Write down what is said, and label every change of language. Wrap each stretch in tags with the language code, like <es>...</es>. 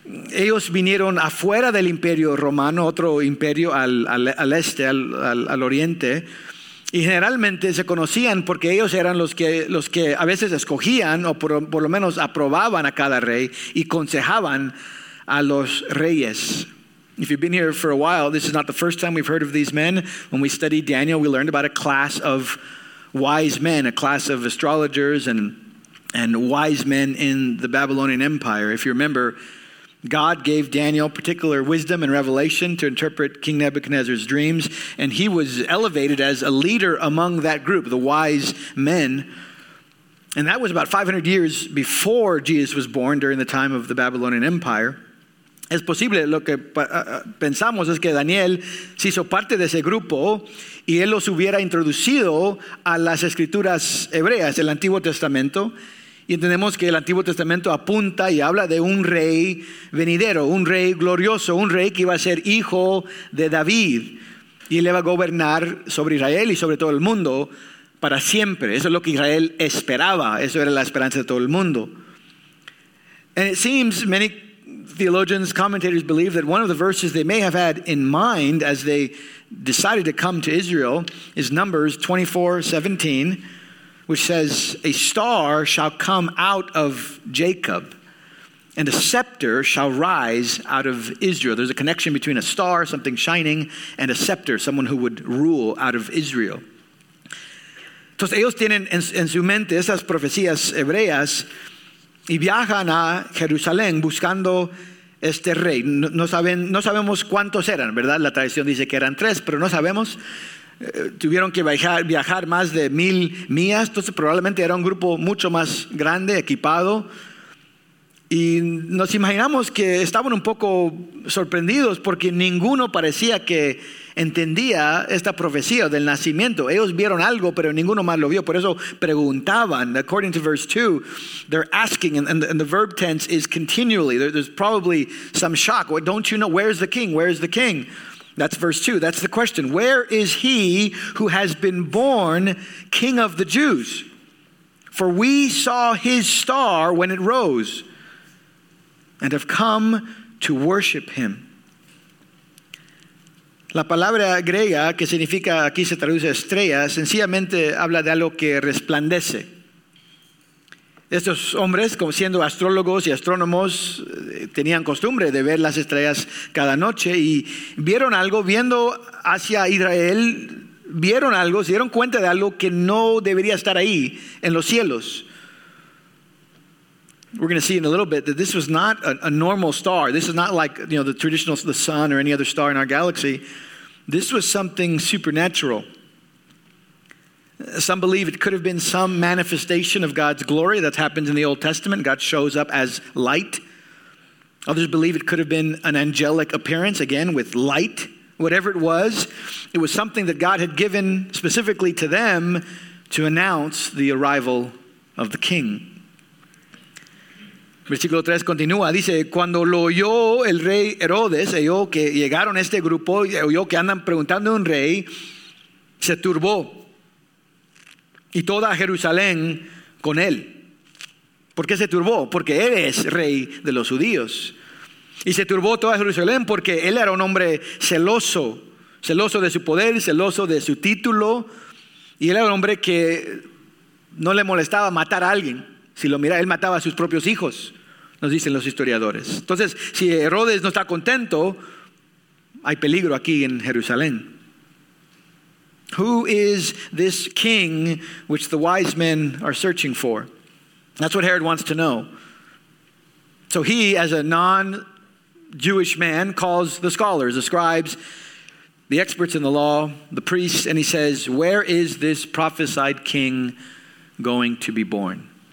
<es>Ellos vinieron afuera del Imperio Romano, otro imperio al este, al oriente, y generalmente se conocían porque ellos eran los que a veces escogían o por lo menos aprobaban a cada rey y aconsejaban a los reyes.</es> <en>If you've been here for a while, this is not the first time we've heard of these men. When we studied Daniel, we learned about a class of wise men, a class of astrologers and wise men in the Babylonian Empire. If you remember, God gave Daniel particular wisdom and revelation to interpret King Nebuchadnezzar's dreams, and he was elevated as a leader among that group, the wise men. And that was about 500 years before Jesus was born, during the time of the Babylonian Empire.</en> <es>Es posible, lo que pensamos es que Daniel se hizo parte de ese grupo y él los hubiera introducido a las escrituras hebreas, el Antiguo Testamento. Y entendemos que el Antiguo Testamento apunta y habla de un rey venidero, un rey glorioso, un rey que iba a ser hijo de David y él iba a gobernar sobre Israel y sobre todo el mundo para siempre. Eso es lo que Israel esperaba, eso era la esperanza de todo el mundo.</es> <en>And it seems many theologians, commentators believe that one of the verses they may have had in mind as they decided to come to Israel is Numbers 24:17, which says, "A star shall come out of Jacob, and a scepter shall rise out of Israel." There's a connection between a star, something shining, and a scepter, someone who would rule out of Israel.</en> <es>Entonces ellos tienen en su mente esas profecías hebreas, y viajan a Jerusalén buscando este rey. No sabemos cuántos eran, ¿verdad? La tradición dice que eran tres, pero no sabemos. Tuvieron que viajar más de 1,000 millas. Entonces probablemente era un grupo mucho más grande, equipado. Y nos imaginamos que estaban un poco sorprendidos porque ninguno parecía que entendía esta profecía del nacimiento. Ellos vieron algo, pero ninguno más lo vio. Por eso preguntaban.</es> <en>According to verse 2, they're asking, and the verb tense is continually. There's probably some shock. Well, don't you know? Where's the king? Where's the king? That's verse 2. That's the question. Where is he who has been born king of the Jews? For we saw his star when it rose, and have come to worship him.</en> <es>La palabra griega que significa, aquí se traduce estrella, sencillamente habla de algo que resplandece. Estos hombres, como siendo astrólogos y astrónomos, tenían costumbre de ver las estrellas cada noche y vieron algo, viendo hacia Israel, vieron algo, se dieron cuenta de algo que no debería estar ahí en los cielos.</es> <en>We're going to see in a little bit that this was not a normal star. This is not like, you know, the traditional, the sun or any other star in our galaxy. This was something supernatural. Some believe it could have been some manifestation of God's glory that happens in the Old Testament. God shows up as light. Others believe it could have been an angelic appearance, again, with light. Whatever it was something that God had given specifically to them to announce the arrival of the king.</en> <es>Versículo 3 continúa, dice, cuando lo oyó el rey Herodes, oyó que llegaron este grupo, oyó que andan preguntando a un rey, se turbó, y toda Jerusalén con él. ¿Por qué se turbó? Porque él es rey de los judíos. Y se turbó toda Jerusalén porque él era un hombre celoso, celoso de su poder, celoso de su título, y él era un hombre que no le molestaba matar a alguien. Si lo mira, él mataba a sus propios hijos, nos dicen los historiadores. Entonces, si Herodes no está contento, hay peligro aquí en Jerusalén.</es> <en>Who is this king which the wise men are searching for? That's what Herod wants to know. So he, as a non-Jewish man, calls the scholars, the scribes, the experts in the law, the priests, and he says, where is this prophesied king going to be born?</en>